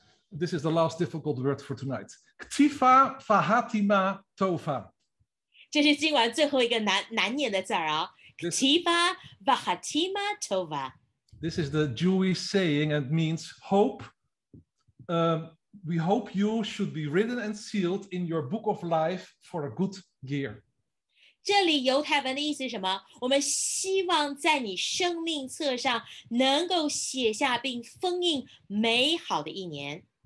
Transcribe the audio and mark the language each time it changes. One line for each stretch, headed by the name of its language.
English: This is the last difficult word for tonight.
Hebrew: Ktifa fahatima tova.
Chinese: 这是今晚最后一个难念的字啊。
Hebrew: Ktifa fahatima tova.
English: This is the Jewish saying and means hope. We hope you should be written and sealed in your book of life for a good year.
Chinese: 这里犹太文的意思是什么？我们希望在你生命册上能够写下并封印美好的一年。